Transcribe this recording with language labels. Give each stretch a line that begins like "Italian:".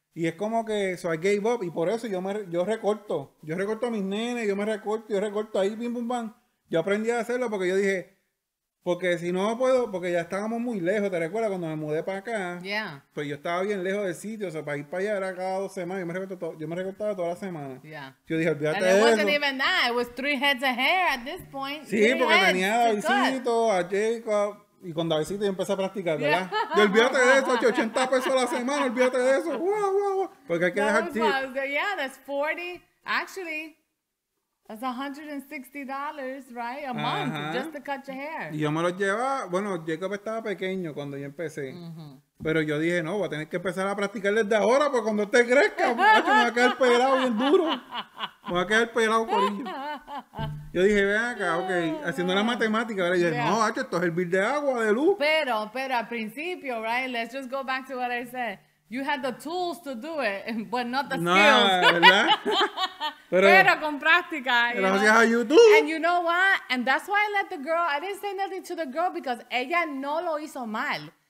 Spanish: Y es como que,
English: so I gave up,
Spanish: y por eso yo recorto a mis nenes, yo recorto ahí, bim, bum, bam. Yo aprendí a hacerlo porque yo dije... Porque si no puedo, porque ya estábamos muy lejos, ¿te recuerdas? Cuando me mudé para acá,
English: yeah.
Spanish: Pues yo estaba bien lejos del sitio, o sea, para ir para allá era cada 2 semanas, yo me recortaba toda la semana.
English: Yeah.
Spanish: Yo dije, olvídate de eso.
English: And it wasn't even that, it was 3 heads of hair at this point.
Spanish: Sí, porque tenía a Davidcito, a Jacob, y con Davidcito yo empecé a practicar, ¿verdad?
English: Yeah.
Spanish: Y olvídate de eso, 80 pesos a la semana, olvídate de eso. Porque hay que dejar
English: tip. Yeah, that's 40, actually... That's $160, right? A month, uh-huh. Just to cut your hair.
Spanish: Y yo me lo llevaba... Bueno, Jacob estaba pequeño cuando yo empecé. Uh-huh. Pero yo dije, no, voy a tener que empezar a practicar desde ahora, porque cuando usted crezca, macho, me va a quedar pelado bien duro. Me va a quedar pelado con ellos. Yo dije, ven acá, ok. Haciendo la matemática, ¿verdad? Yo dije, no, macho, esto es el bill de agua, de luz. Pero al principio,
English: right? Let's just go back to what I said. You had the tools to do it, but not the skills.
Spanish: Pero con práctica. Gracias a YouTube.
English: And you know what? And that's why I let the girl, I didn't say nothing to the girl because
Spanish: ella no lo hizo mal.